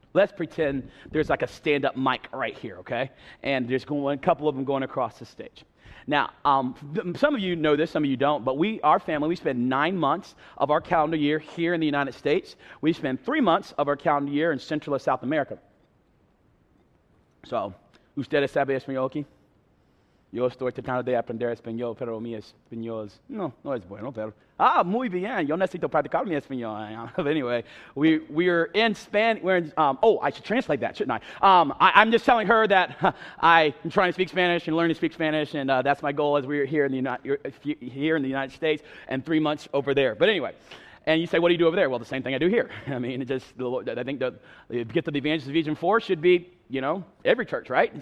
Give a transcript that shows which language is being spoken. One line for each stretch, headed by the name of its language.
English: Let's pretend there's like a stand-up mic right here, okay? And there's going a couple of them going across the stage. Now, some of you know this, some of you don't, but our family, we spend 9 months of our calendar year here in the United States. We spend 3 months of our calendar year in Central and South America. So,
Spanish: ustedes saben español aquí? Yo estoy tratando de aprender español, pero mi español no es bueno, pero... Ah, muy bien. Yo necesito practicar mi español.
English: Anyway, we're in Spanish. I should translate that, shouldn't I? I'm just telling her that I'm trying to speak Spanish and learning to speak Spanish, and that's my goal as we're here in the United States and 3 months over there. But anyway, and you say, what do you do over there? Well, the same thing I do here. I mean, I think the evangelist of Ephesians 4 should be, you know, every church, right?